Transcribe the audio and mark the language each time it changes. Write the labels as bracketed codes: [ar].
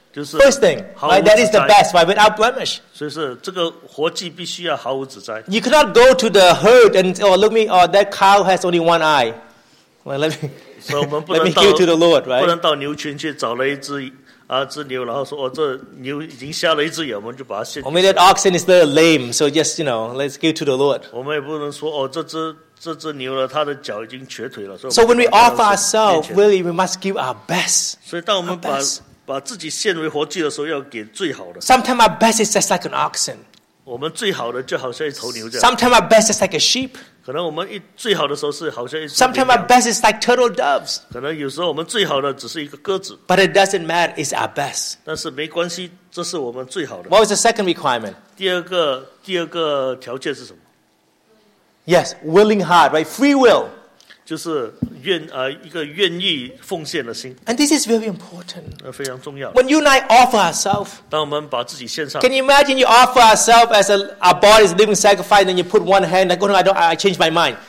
[en] First thing, right, that is the best, right, without blemish. [zh] 所以是这个活祭必须要毫无指摘。 [en] You cannot go to the herd and, oh, look me, oh, that cow has only one eye. Well, let me give to the Lord, right? [zh] 不能到牛群去找了一只牛，然后说，哦，这牛已经瞎了一只眼，我们就把它献祭。 [en] Or maybe that oxen is very lame, so just, you know, let's give to the Lord. [zh] 我们也不能说，哦，这只牛呢，它的脚已经瘸腿了。 [en] So when we offer ourselves, really, we must give our best. [zh] 所以当我们把 把自己献为活祭的时候，要给最好的。 [en] Sometimes our best is just like an oxen. [zh] 我们最好的就好像一头牛这样。 [en] Sometimes our best is like a sheep. [zh] 可能我们最好的时候是好像一头牛。 [en] Sometimes our best is like turtle doves. [zh] 可能有时候我们最好的只是一个鸽子。 [en] But it doesn't matter. It's our best. [zh] 但是没关系，这是我们最好的。 [en] What was the second requirement? [zh] 第二个条件是什么？ [en] Yes, willing heart, right? Free will. [zh] 就是一个愿意奉献的心。 [en] And this is very important. [zh] 非常重要。 [en] When you and I offer ourselves, [zh] 当我们把自己献上, [en] can you imagine you offer ourselves as our body is living sacrifice, and you put one hand, like, oh no, I change my mind.